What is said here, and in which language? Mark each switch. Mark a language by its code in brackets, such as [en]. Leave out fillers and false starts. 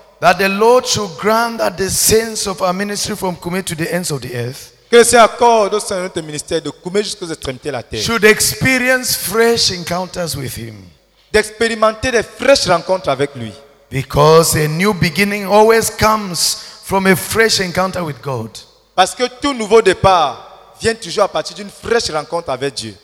[en] That the Lord should grant that the saints of our ministry from Koumé to the ends of the earth. [fr] Que le Seigneur accorde au sein de notre ministère de Koumé jusqu'aux extrémités de la terre. [en] Should experience fresh encounters with him. [fr] D'expérimenter des fraîches rencontres avec lui. [en] Because a new beginning always comes from a fresh encounter with God. [fr] Parce que tout nouveau départ vient toujours à partir d'une fraîche rencontre avec Dieu.